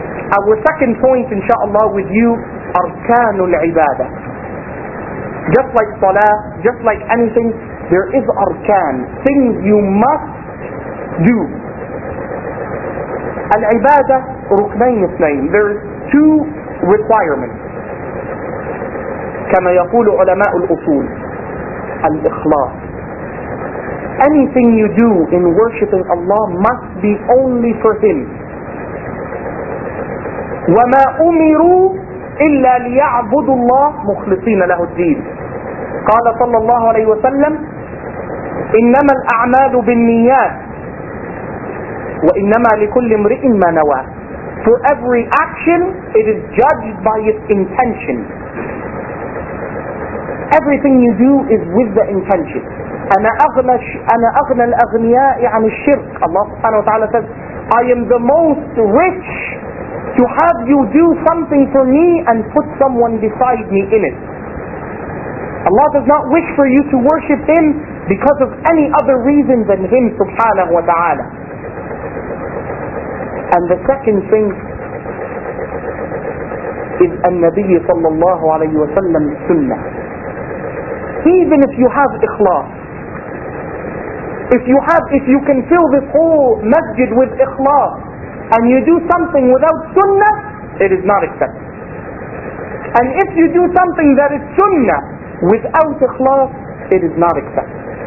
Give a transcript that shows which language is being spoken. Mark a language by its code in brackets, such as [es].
[en] Our second point, inshaAllah, with you, arkanul ibadah. Just like salah, just like anything, there is arkan, things you must do. Al-ibadah, ruknayn اثنين. There is two requirements. [ar] كما يقول علماء الأصول, الإخلاص. [en] Anything you do in worshipping Allah must be only for Him. [ar] وما أمروا إلا ليعبدوا الله مخلصين له الدين. قال صلى الله عليه وسلم, إنما الأعمال بالنيات وإنما لكل امرئ ما نوى. [en] For every action, it is judged by its intention. Everything you do is with the intention. [ar] أنا أغنى الأغنياء عن الشرك. [en] Allah [ar] سبحانه وتعالى [en] says, I am the most rich to have you do something for me and put someone beside me in it. Allah does not wish for you to worship Him because of any other reason than Him subhanahu wa ta'ala. And the second thing is [ar] النبي صلى الله عليه وسلم سنة. [en] Even if you have ikhlas, if you can fill this whole masjid with ikhlas and you do something without sunnah, it is not accepted. And if you do something that is sunnah without ikhlas, it is not accepted.